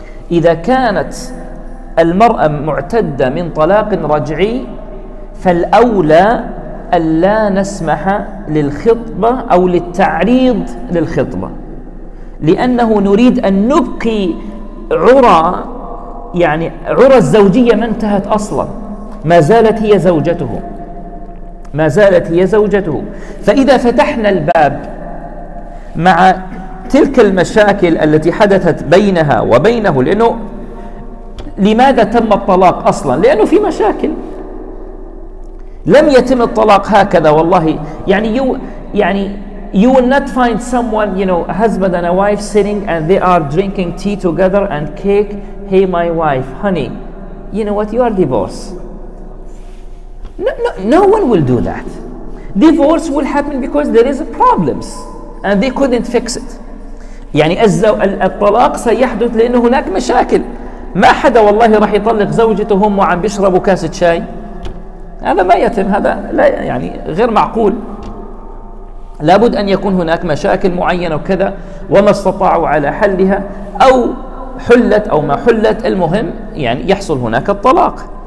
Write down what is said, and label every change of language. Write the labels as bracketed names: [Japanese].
[Arabic] إذا كانت المرأة معتدة من طلاق رجعي فالأولى ألا نسمح للخطبة أو للتعريض للخطبة, لأنه نريد أن نبقي عرى, يعني عرى الزوجية ما انتهت أصلا, ما زالت هي زوجته, ما زالت هي زوجته. فإذا فتحنا الباب مع تلك المشاكل التي حدثت بينها وبينه, لأنه لماذا تم الطلاق أصلا؟ لأنه في مشاكل. لم يتم الطلاق هكذا والله, يعني [English] you will not find someone, you know, a husband and a wife sitting and they are drinking tea together and cake. Hey my wife, honey, you know what, you are divorced. No one will do that. Divorce will happen because there is problems and they couldn't fix it. [Arabic] يعني الطلاق سيحدث لأنه هناك مشاكل. ما حدا والله راح يطلق زوجته هم وعم بيشربوا كاسة شاي. هذا ما يتم, هذا لا, يعني غير معقول. لابد أن يكون هناك مشاكل معينة وكذا, وما استطاعوا على حلها أو حلت أو ما حلت, المهم يعني يحصل هناك الطلاق.